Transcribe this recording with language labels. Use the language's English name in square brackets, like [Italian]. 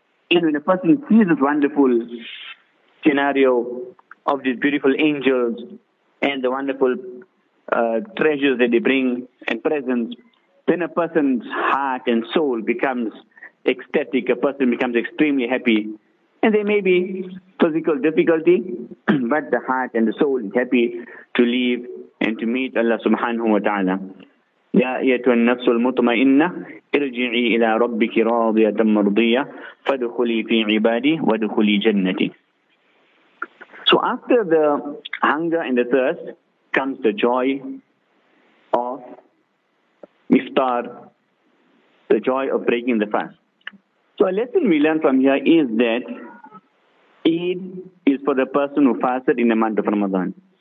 [English] And when a person sees this wonderful scenario of these beautiful angels and the wonderful treasures that they bring and presents, then a person's heart and soul becomes ecstatic. A person becomes extremely happy. And there may be physical difficulty, but the heart and the soul is happy to leave and to meet Allah subhanahu wa ta'ala. [Arabic] يا أيتها النفس المطمئنة ارجعي إلى ربك راضية مرضية فادخلي في عبادي وادخلي جنتي. [English] So after the hunger and the thirst comes the joy of iftar, the joy of breaking the fast. So a lesson we learn from here is that Eid is for the person who fasted in the month of Ramadan.